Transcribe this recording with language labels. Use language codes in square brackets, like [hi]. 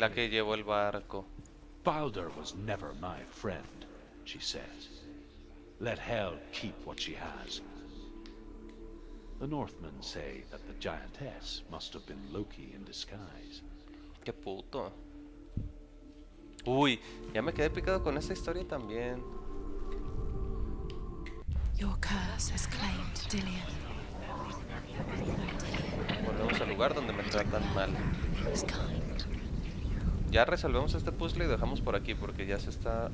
[es] La que llevó el barco. [en] Baldur was never my friend, she says. Let hell keep what she has. The Northmen say that the giantess must have been Loki in disguise. [es] Qué puto. Uy, ya me quedé picado con esa historia también. [en] Your curse has claimed Dillion. [es] Volvemos al lugar donde me tratan mal. Ya resolvemos este puzzle y dejamos por aquí porque ya se está...